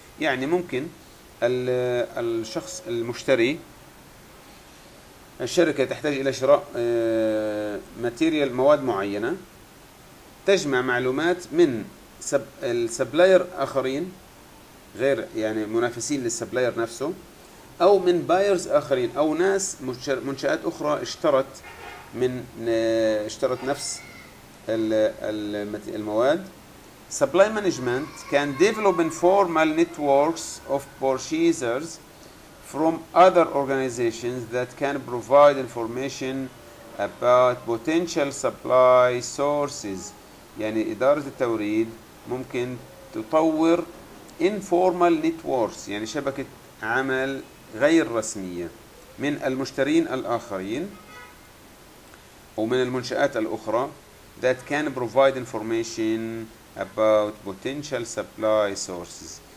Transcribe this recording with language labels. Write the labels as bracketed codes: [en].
[ar] يعني ممكن الشخص المشتري، الشركة تحتاج إلى شراء ماتيريال، مواد معينة، تجمع معلومات من السبلاير آخرين غير يعني منافسين للسبلاير نفسه، أو من بايرز آخرين أو ناس منشآت أخرى اشترت نفس المواد، [en] supply management can develop informal networks of purchasers from other organizations that can provide information about potential supply sources. [ar] يعني إدارة التوريد ممكن تطور [en] informal networks، [ar] يعني شبكة عمل غير رسمية من المشترين الآخرين ومن المنشآت الأخرى [en] that can provide information about potential supply sources.